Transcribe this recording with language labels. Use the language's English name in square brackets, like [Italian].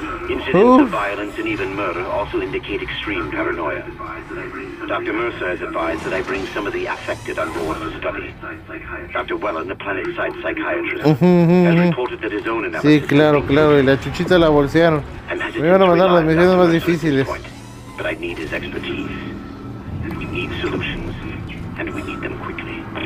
[English] Incidents of violence and even murder also indicate extreme paranoia. Dr. Mercer has advised that I bring some of the affected on board for study. Dr. Wellen, the planet side psychiatrist, has reported that his own analysis. [Spanish] Sí, claro, claro, y la chuchita la bolsearon. Me iban a mandar las misiones más difíciles. [English] But I need his expertise. We need solutions, and we need them quickly.